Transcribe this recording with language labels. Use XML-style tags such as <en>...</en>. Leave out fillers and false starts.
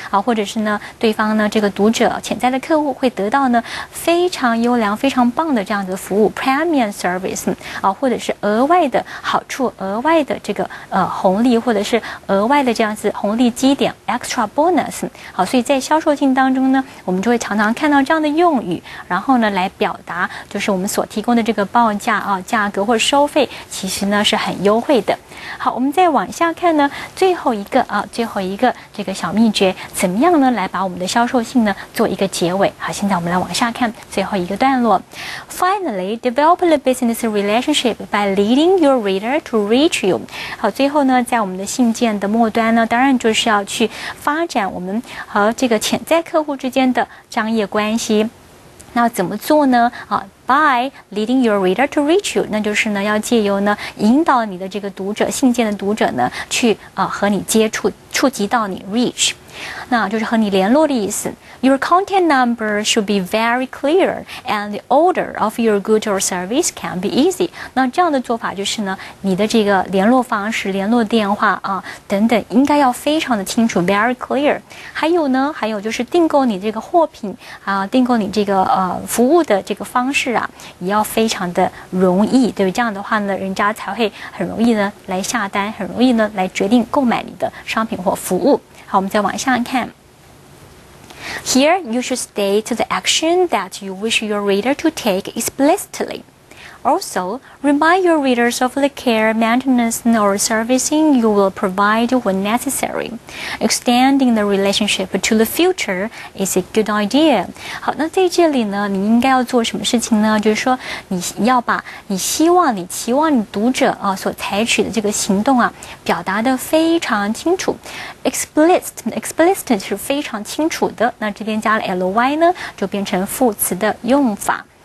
<zh>或者是呢对方呢这个读者潜在的客户会得到呢非常优良非常棒的这样的服务</zh> <en>premium service</en> <zh>或者是额外的好处额外的这个红利或者是额外的这样子红利基点</zh> <en>extra bonus</en> <zh>好，所以在销售性当中呢我们就会常常看到这样的用语，然后呢来表达就是我们所提供的这个报价价格或收费其实呢是很优惠的。好，我们再往下看呢最后一个最后一个这个小秘诀怎么样呢来把我们的销售性呢做一个结尾。好，现在我们来往下看最后一个段落。</zh> <en>Finally, develop the business relationship by leading your reader to reach you.</en> <zh>好，最后呢在我们的信件的末端呢当然就是要去发展我们和这个潜在客户之间的商业关系。那怎么做呢</zh> <en>By leading your reader to reach you,</en> <zh>那就是呢要借由呢引导你的这个读者信件的读者呢去和你接触触及到你 reach 那就是和你联络的意思。</zh> <en>Your contact number should be very clear, and the order of your good or service can be easy.</en> <zh>那这样的做法就是呢，你的这个联络方式、联络电话啊等等，应该要非常的清楚 ，</zh> <en>very clear。</en> <zh>还有呢，还有就是订购你这个货品啊，订购你这个服务的这个方式啊，也要非常的容易，对不对？这样的话呢，人家才会很容易呢来下单，很容易呢来决定购买你的商品或服务。好，我们再往下看。</zh> <en>Here, you should state the action that you wish your reader to take explicitly. Also, remind your readers of the care, maintenance, or servicing you will provide when necessary. Extending the relationship to the future is a good idea.</en> <zh>好，那在这里呢，你应该要做什么事情呢？就是说，你要把你希望、你期望你读者啊所采取的这个行动啊，表达得非常清楚。 Explicit 是非常清楚的，那这边加了 ly 呢，就变成副词的用法。</zh>